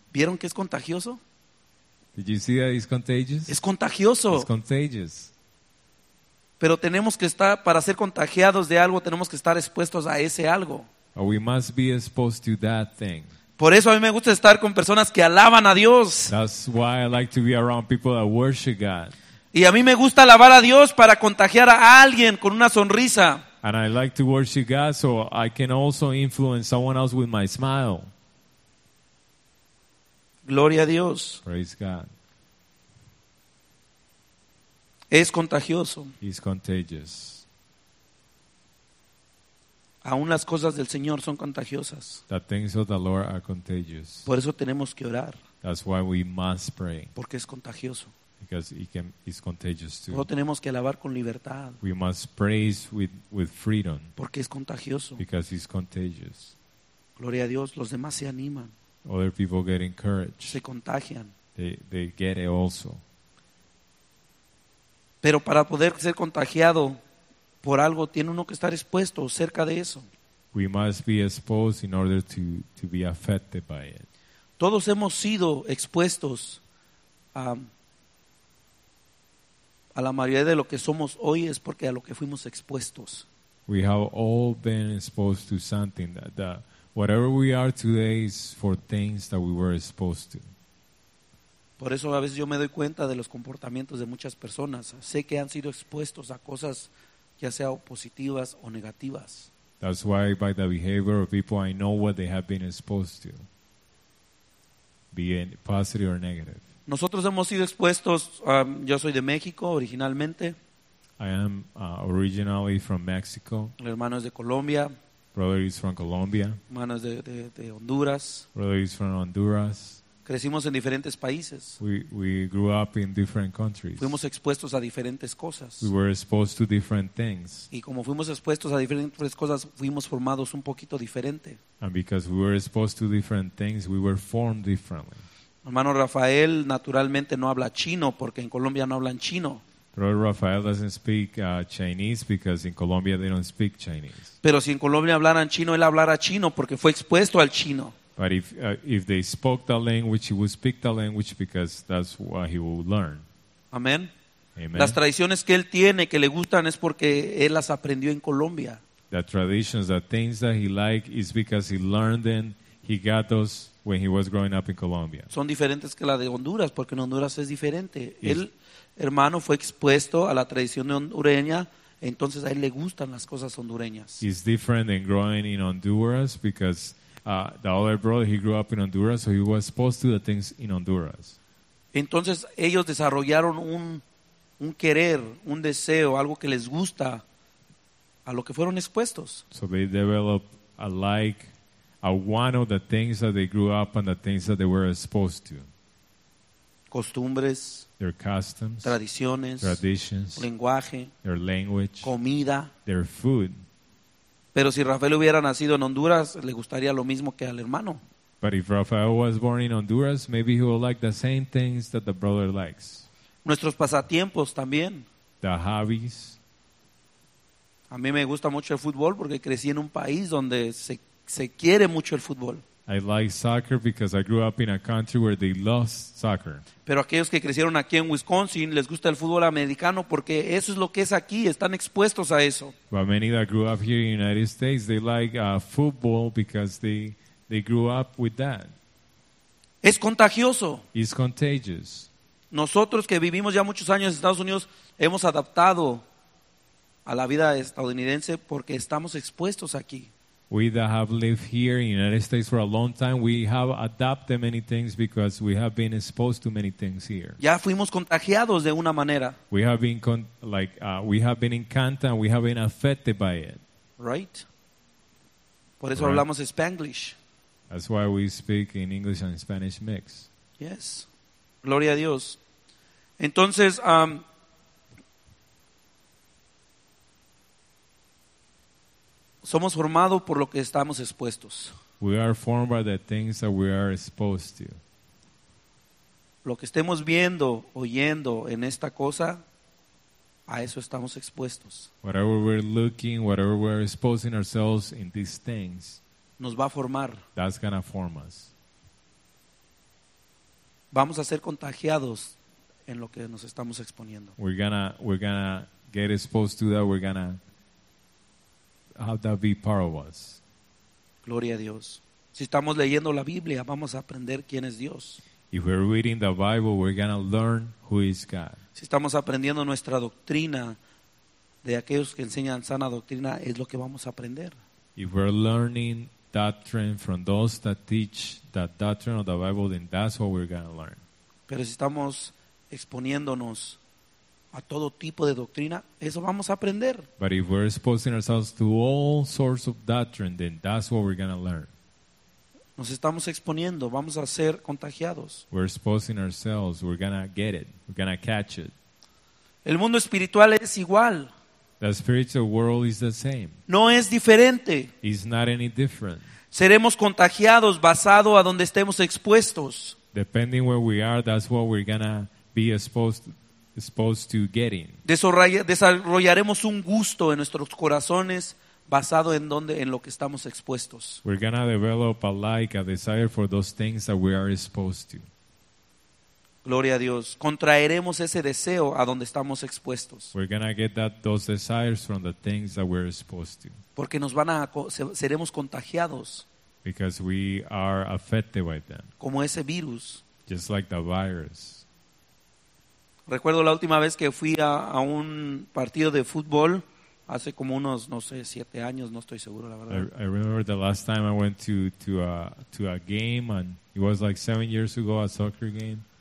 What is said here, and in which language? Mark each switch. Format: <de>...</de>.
<es>¿Vieron que es contagioso?</es> <en>Did you see that it's contagious?</en> <es>Es contagioso.</es> <en>It's contagious.</en> <es>Pero tenemos que estar, para ser contagiados de algo, tenemos que estar expuestos a ese algo.</es> <en>We must be exposed to that thing.</en> <es>Por eso a mí me gusta estar con personas que alaban a Dios.</es> <en>That's why I like to be around people that worship God.</en> <es>Y a mí me gusta alabar a Dios para contagiar a alguien con una sonrisa.</es> <en>And I like to worship God so I can also influence someone else with my smile.</en> <es>Gloria a Dios.</es> <en>Praise God.</en> <es>Es contagioso.</es> <en>It's contagious.</en> <es>Aún las cosas del Señor son contagiosas.</es> <en>The things of the Lord are contagious.</en> <es>Por eso tenemos que orar.</es> <en>That's why we must pray.</en> <es>Porque es contagioso.</es> <en>Because it's contagious too.</en> <es>Nosotros tenemos que alabar con libertad.</es> <en>We must praise with freedom.</en> <es>Porque es contagioso.</es> <en>Because it's contagious.</en> <es>Gloria a Dios, los demás se animan.</es> <en>Other people get encouraged.</en> <es>Se contagian.</es> <en>They get it also.</en> <es>Pero para poder ser contagiado por algo, tiene uno que estar expuesto cerca de eso.</es> <en>We must be exposed in order to be affected by it.</en> <es>Todos hemos sido expuestos a la mayoría de lo que somos hoy es porque a lo que fuimos expuestos.</es> <en>We have all been exposed to something that whatever we are today is for things that we were exposed to.</en> <es>Por eso a veces yo me doy cuenta de los comportamientos de muchas personas. Sé que han sido expuestos a cosas ya sea positivas o negativas.</es> <en>That's why by the behavior of people I know what they have been exposed to. Be it positive or negative.</en> <es>Nosotros hemos sido expuestos, yo soy de México originalmente.</es> <en>I am originally from Mexico.</en> <es>El hermano es de Colombia.</es> <en>Brother is from Colombia.</en> <es>Hermano es de Honduras.</es> <en>Brother is from Honduras.</en> <es>Crecimos en diferentes países.</es> <en>We grew up in different countries.</en> <es>Fuimos expuestos a diferentes cosas.</es> <en>We were exposed to different things.</en> <es>Y como fuimos expuestos a diferentes cosas, fuimos formados un poquito diferente.</es> <en>And because we were exposed to different things, we were formed differently.</en> <es>Hermano Rafael naturalmente no habla chino porque en Colombia no hablan chino.</es> <en>Brother Rafael doesn't speak Chinese because in Colombia they don't speak Chinese.</en> <es>Pero si en Colombia hablaran chino, él hablara chino porque fue expuesto al chino.</es> <en>But if they spoke the language, he would speak the language because that's what he would learn. Amen. Amen.</en> <es>Las tradiciones que él tiene, que le gustan, es porque él las aprendió en Colombia.</es> <en>The traditions, the things that he likes, is because he learned them, he got those when he was growing up in Colombia.</en> <es>Son diferentes que la de Honduras, porque en Honduras es diferente. El hermano fue expuesto a la tradición hondureña. Entonces a él le gustan las cosas hondureñas.</es> <en>It's different than growing in Honduras because the other brother, he grew up in Honduras, so he was exposed to the things in Honduras.</en> <es>Entonces ellos desarrollaron un querer, un deseo, algo que les gusta a lo que fueron expuestos.</es> <en>So they developed a like, a one of the things that they grew up and the things that they were exposed to.</en> <es>Costumbres,</es> <en>their customs,</en> <es>tradiciones,</es> <en>traditions,</en> <es>lenguaje,</es> <en>their language,</en> <es>comida,</es> <en>their food.</en> <es>Pero si Rafael hubiera nacido en Honduras, le gustaría lo mismo que al hermano.</es> <en>But if Rafael was born in Honduras, maybe he would like the same things that the brother likes.</en> <es>Nuestros pasatiempos también.</es> <en>The hobbies.</en> <es>A mí me gusta mucho el fútbol porque crecí en un país donde se quiere mucho el fútbol.</es> <en>I like soccer because I grew up in a country where they lost soccer.</en> <es>Pero aquellos que crecieron aquí en Wisconsin les gusta el fútbol americano porque eso es lo que es aquí, están expuestos a eso.</es> <en>But many that grew up here in the United States, they like football because they grew up with that.</en> <es>Es contagioso.</es> <en>It's contagious.</en> <es>Nosotros que vivimos ya muchos años en Estados Unidos hemos adaptado a la vida estadounidense porque estamos expuestos aquí.</es> <en>We that have lived here in the United States for a long time, we have adopted many things because we have been exposed to many things here.</en> <es>Ya fuimos contagiados de una manera.</es> <en>We have been we have been in contact, we have been affected by it. Right?</en> <es>Por eso hablamos Spanglish.</es> <en>That's why we speak in English and Spanish mix. Yes.</en> <es>Gloria a Dios. Entonces, somos formados por lo que estamos expuestos.</es> <en>We are formed by the things that we are exposed to.</en> <es>Lo que estemos viendo, oyendo en esta cosa, a eso estamos expuestos.</es> <en>Whatever we're looking, whatever we're exposing ourselves in these things,</en> <es>nos va a formar.</es> <en>That's gonna form us.</en> <es>Vamos a ser contagiados en lo que nos estamos exponiendo.</es> <en>We're gonna get exposed to that. We're gonna have that be part of us.</en> <es>Gloria a Dios. Si estamos leyendo la Biblia, vamos a aprender quién es Dios.</es> <en>If we're reading the Bible, we're going to learn who is God.</en> <es>Si estamos aprendiendo nuestra doctrina de aquellos que enseñan sana doctrina, es lo que vamos a aprender.</es> <en>If we're learning doctrine from those that teach that doctrine of the Bible, then that's what we're going to learn.</en> <es>Pero si estamos exponiéndonos a todo tipo de doctrina, eso vamos a aprender.</es> <en>But if we're exposing ourselves to all sorts of doctrine, then that's what we're going to learn.</en> <es>Nos estamos exponiendo, vamos a ser contagiados.</es> <en>We're exposing ourselves, we're going to get it, we're going to catch it.</en> <es>El mundo espiritual es igual.</es> <en>The spiritual world is the same.</en> <es>No es diferente.</es> <en>It's not any different.</en> <es>Seremos contagiados basado a donde estemos expuestos.</es> <en>Depending where we are, that's what we're going to be exposed to getting.</en> <es>Desarrollaremos un gusto en nuestros corazones basado en donde, en lo que estamos expuestos.</es> <en>We're going to develop a like, a desire for those things that we are exposed to.</en> <es>Gloria a Dios. Contraeremos ese deseo a donde estamos expuestos.</es> <en>We're going to get those desires from the things that we're exposed to.</en> <es>Porque nos van a, seremos contagiados.</es> <en>Because we are affected by them.</en> <es>Como ese virus.</es> <en>Just like the virus.</en> <es>Recuerdo la última vez que fui a un partido de fútbol. Hace como unos, no sé, 7 años, no estoy seguro, la verdad.</es> <en>I remember the last time I went to a game, and it was like 7 years ago, a soccer game.</en>